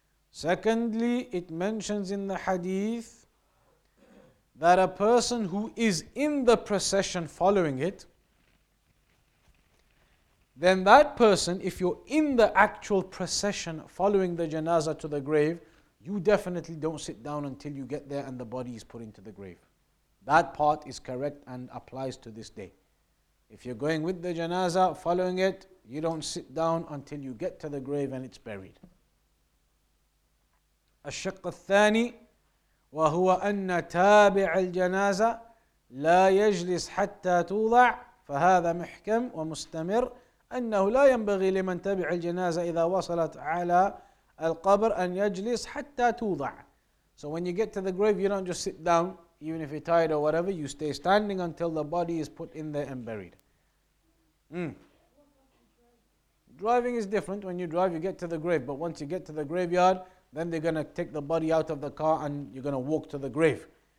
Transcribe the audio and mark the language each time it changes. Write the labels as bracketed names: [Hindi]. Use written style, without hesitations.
[English] Secondly, it mentions in the hadith that a person who is in the procession following it, then that person, if you're in the actual procession following the janazah to the grave, you definitely don't sit down until you get there and the body is put into the grave. That part is correct and applies to this day. If you're going with the janazah, following it, you don't sit down until you get to the grave and it's buried. [Arabic] الشق الثاني وهو أن تابع الجنازة لا يجلس حتى توضع فهذا محكم ومستمر أنه لا ينبغي لمن تبع الجنازة إذا وصلت على القبر أن يجلس حتى توضع. [English] So when you get to the grave, you don't just sit down, even if you're tired or whatever, you stay standing until the body is put in there and buried. Driving is different. When you drive, you get to the grave. But once you get to the graveyard, then they're going to take the body out of the car and you're going to walk to the grave.